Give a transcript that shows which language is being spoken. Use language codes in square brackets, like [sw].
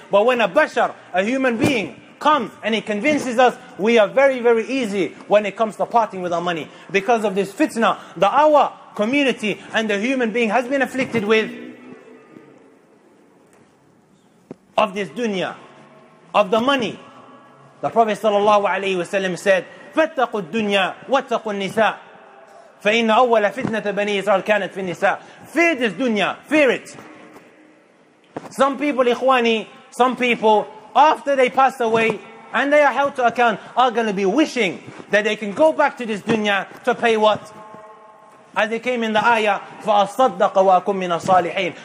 [en] But when a Bashar, a human being, comes and he convinces us, we are very, very easy when it comes to parting with our money. Because of this fitna that our community and the human being has been afflicted with, of this dunya, of the money. The Prophet sallallahu alayhi wa sallam said, [ar] فَاتَّقُوا الدُّنْيَا وَاتَّقُوا النِّسَاءِ فَإِنَّ أَوَّلَ فِتْنَةَ بَنِي إِسْرَالِ كَانَتْ فِي النِّسَاءِ. [en] Fear this dunya, fear it. Some people, ikhwani, some people, after they pass away and they are held to account, are going to be wishing that they can go back to this dunya to pay what? As it came in the ayah, [ar] فَأَصَّدَّقَ وَأَكُمْ مِنَ الصَّالِحِينَ.